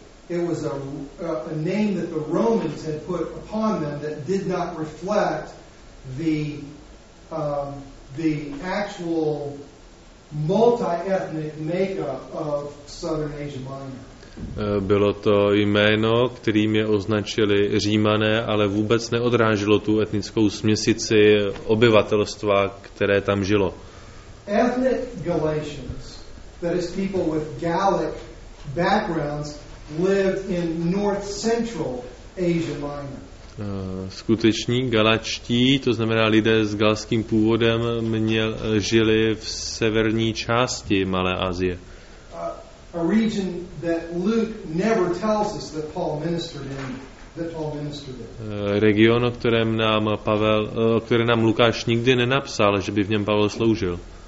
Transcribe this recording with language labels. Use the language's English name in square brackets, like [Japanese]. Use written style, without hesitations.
[English] It was a name that the Romans had put upon them that did not reflect the actual multi-ethnic makeup of southern Asia Minor. [Czech] Bylo to jméno, kterým je označili Římané, ale vůbec neodráželo tu etnickou směsici obyvatelstva, které tam žilo. [English] Ethnic Galatians, that is people with Gallic backgrounds, lived in north central Asia Minor. [Czech] Skuteční Galačtí, to znamená lidé s galským původem, žili v severní části Malé Asie. [English] A region that Luke never tells us that Paul ministered in. [Czech] Region, o kterém nám Lukáš nikdy nenapsal, že by v něm Pavel sloužil.